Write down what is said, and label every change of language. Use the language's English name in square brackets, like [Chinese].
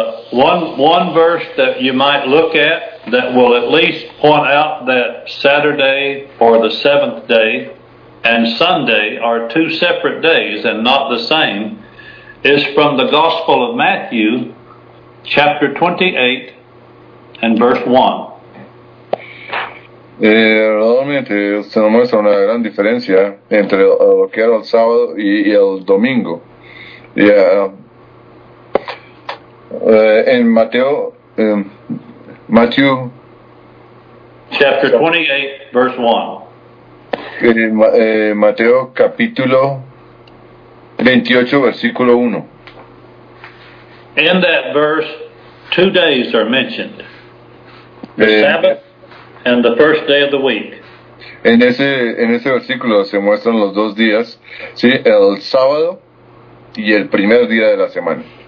[English] One verse that you might look at that will at least point out that Saturday or the seventh day and Sunday are two separate days and not the same is from the Gospel of Matthew, chapter 28 and verse 1. [Spanish] Realmente se nos muestra una gran diferencia entre lo que era el sábado y el domingo. [English] Yeah. [Spanish] En Mateo, Matthew, [English] chapter 28, verse 1. [Spanish] Mateo, capítulo 28, versículo 1. [English] In that verse, two days are mentioned. The Sabbath and the first day of the week. [Spanish] En ese versículo se muestran los dos días, ¿sí? El sábado y el primer día de la semana.